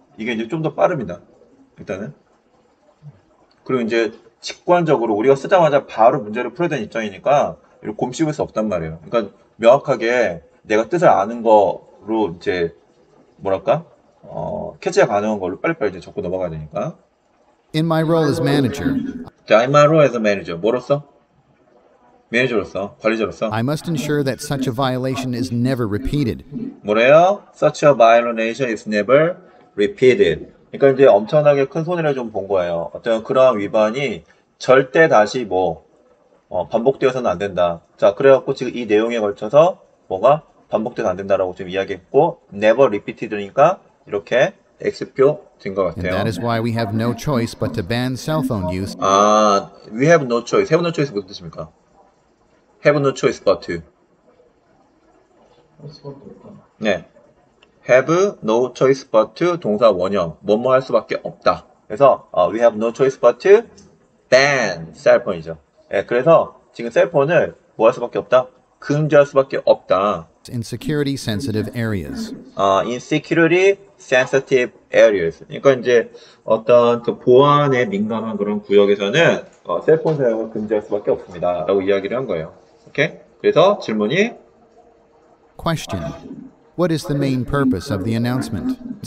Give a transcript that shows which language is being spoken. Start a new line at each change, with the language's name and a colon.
Korean: 이게 이제 좀더 빠릅니다. 일단은. 그리고 이제 직관적으로 우리가 쓰자마자 바로 문제를 풀어야 되는 입장이니까 곰씹을 수 없단 말이에요. 그러니까 명확하게 내가 뜻을 아는 거로 이제 뭐랄까? 캐치가 가능한 걸로 빨리빨리 이제 적고 넘어가야 되니까.
English: In my role as manager, In my role as a manager.
Korean: 뭐로서? 매니저로서, 관리자로서.
English: I must ensure that such a violation is never repeated.
Korean: 뭐래요?
English: Such a violation is never repeated.
Korean: 그러니까 이제 엄청나게 큰 손해를 좀본 거예요. 어떤 그러한 위반이 절대 다시 반복되어서는 안 된다. 자, 그래갖고 지금 이 내용에 걸쳐서 뭐가 반복돼서 안 된다라고 지금 이야기했고,
English: never repeated
Korean: 이니까 이렇게 X표 된것
English: And that
Korean: 같아요.
English: is why we have no choice but to ban cell phone use. Ah, we have no choice. Have no choice
Korean: 무슨 뜻입니까?
English: Have no choice but to. 네. Have no choice but to
Korean: 동사 원형. 뭐뭐 할 수밖에 없다. 그래서
English: we have no choice but to ban cell phone이죠.
Korean: 네, 그래서 지금 cell phone을 뭐할 수밖에 없다? 금지할 수밖에 없다.
English: In security sensitive areas. Insecurity sensitive areas.
Korean: 그러니까 이제 어떤 그 보안에 민감한 그런 구역에서는 cell phone 사용을 금지할 수밖에 없습니다. 라고 이야기를 한 거예요. 오케이. 그래서 질문이
English: Question. What is the main purpose of the announcement?